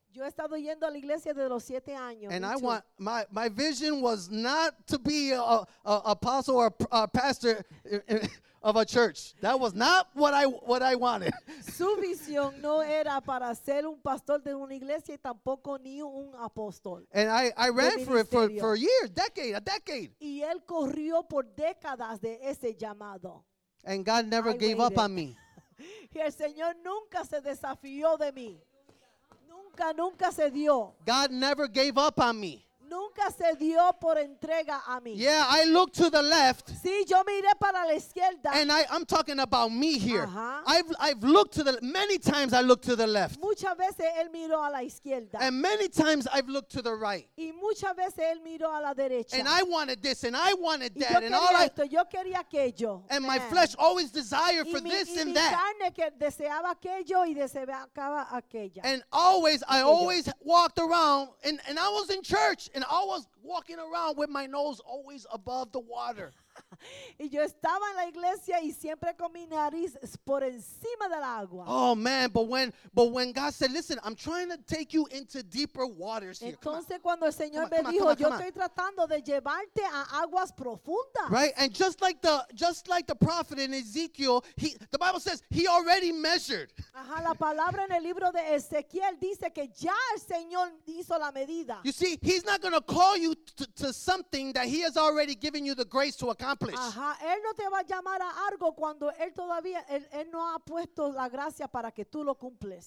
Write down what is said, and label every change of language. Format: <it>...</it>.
<es>Yo he estado yendo a la iglesia desde los 7 años.</es> <en>And I want my vision was not to be a apostle or a pastor of a church. That was not what I wanted.</en> <es>Su visión no era para ser un pastor de una iglesia y tampoco ni un apóstol.</es> <en>And I ran for it for a year, decade, a decade.</en> <es>Y él corrió por décadas de ese llamado.</es> <en>And God never gave up on me.</en> <es>Y el Señor nunca se desafió de mí. Nunca se dio.</es> <en>God never gave up on me.</en> <es>Nunca se dio por entrega a mí.</es> <en>Yeah, I looked to the left.</en> <es>Sí, yo miré para la izquierda.</es> <en>And I'm talking about me here. Uh-huh. I've looked to the many times I looked to the left.</en> <es>Muchas veces él miró a la izquierda.</es> <en>And many times I've looked to the right.</en> <es>Y muchas veces él miró a la derecha.</es> <en>And I wanted this and I wanted that.</en> <es>Y yo quería</es> <en>and all</en> <es>esto,</es> <en>I,</en> <es>yo quería aquello.</es> <en>And man. My flesh always desired for this</en> <es>y</es> <en>and that.</en> <es>Y mi carne que deseaba aquello y deseaba aquella.</es> <en>And always</en> <es>aquello.</es> <en>I always walked around and I was in church. And I was walking around with my nose always above the water.</en> <es>Y yo estaba en la iglesia y siempre con mi nariz por encima del agua.</es> <en>Oh man, but when God said, listen, I'm trying to take you into deeper waters here.</en> <es>Entonces cuando el Señor me dijo, yo estoy tratando de llevarte a aguas profundas.</es> <en>Right, and just like the prophet in Ezekiel, the Bible says he already measured.</en> <es>Ajá, la palabra en el libro de Ezequiel dice que ya el Señor hizo la medida.</es> <en>You see, he's not going to call you to something that he has already given you the grace to accomplish.</en> <es>Ajá, él no te va a llamar a algo cuando él no ha puesto la gracia para que tú lo cumples.</es>